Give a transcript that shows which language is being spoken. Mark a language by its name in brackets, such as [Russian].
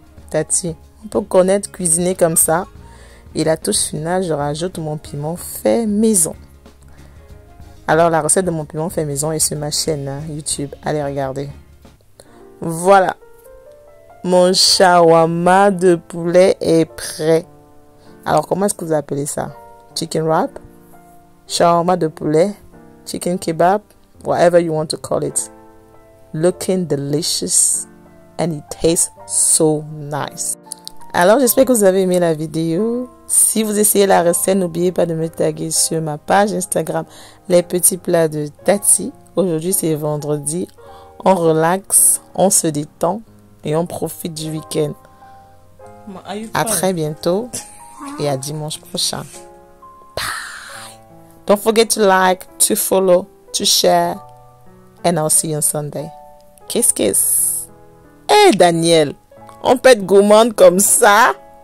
[French] Tati, on peut connaître cuisiner comme ça. Et la touche finale, je rajoute mon piment fait maison. Alors, la recette de mon piment fait maison est sur ma chaîne, hein, YouTube. Allez regarder. Voilà. Mon shawarma de poulet est prêt. Alors, comment est-ce que vous appelez ça? [English] Chicken wrap? [French] Shawarma de poulet? [English] Chicken kebab, whatever you want to call it, looking delicious and it tastes so nice. [French] Alors, j'espère que vous avez aimé la vidéo. Si vous essayez la recette, n'oubliez pas de me taguer sur ma page Instagram, les petits plats de Tati. Aujourd'hui, c'est vendredi. On relaxe, on se détend et on profite du week-end. À très bientôt et à dimanche prochain. [English] Don't forget to like, to follow, to share, and I'll see you on Sunday. Kiss, kiss. [French] Hey, Daniel, on peut être gourmande comme ça?